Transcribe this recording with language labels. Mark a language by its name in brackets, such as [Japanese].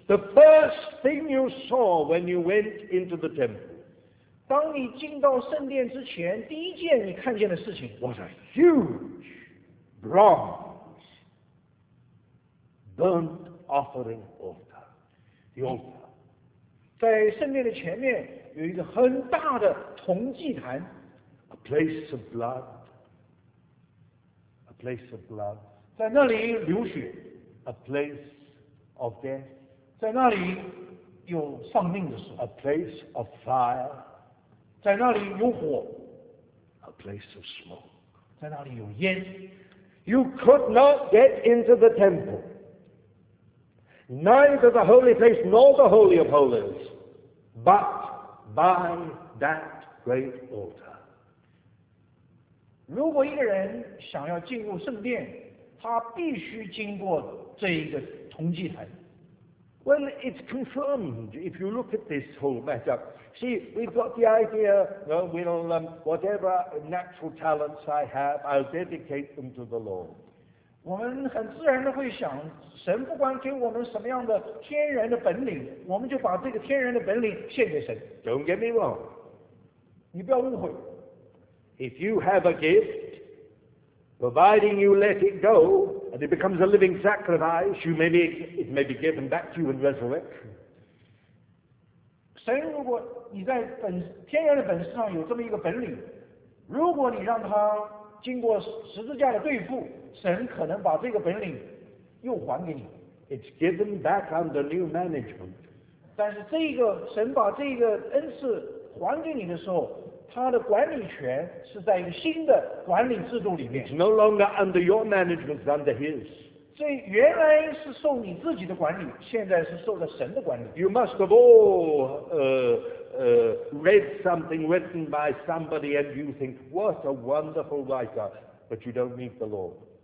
[English] The first thing you saw when you went into the temple. [Chinese] 当你进到圣殿之前，第一件你看见的事情 [English] was a huge bronze burnt offering altar. The altar. [Chinese] 在圣殿的前面有一个很大的铜祭坛。 [English] A place of blood. A place of blood, [Chinese] 在那里流血 [English] a place of death, [Chinese] 在那里有丧命的时候 [English] a place of fire, [Chinese] 在那里有火 [English] a place of smoke, [Chinese] 在那里有烟 [English] You could not get into the temple, neither the holy place nor the holy of holies, but by that great altar. [Chinese] 如果一个人想要进入圣殿，他必须经过这一个铜祭坛。 [English] Well, it's confirmed if you look at this whole matter. See, we've got the idea, you know, we'll, whatever natural talents I have, I'll dedicate them to the Lord. [Chinese] 我们很自然的会想，神不管给我们什么样的天然的本领，我们就把这个天然的本领献给神。 [English] Don't get me wrong. [Chinese] 你不要误会。 [English] If you have a gift, providing you let it go, and it becomes a living sacrifice, you may be, it may be given back to you in resurrection. [Chinese] 神如果你在本天然的本事上有这么一个本领，如果你让他经过十字架的对付，神可能把这个本领又还给你。 [English] It's given back under new management. [Chinese] 但是这个神把这个恩赐还给你的时候，他的管理权是在一个新的管理制度里面。 [English] It's no longer under your management, it's under his. [Chinese] 这原来是受你自己的管理，现在是受了神的管理。 [English] You must have all read something written by somebody and you think, what a wonderful writer, but you don't meet the Lord.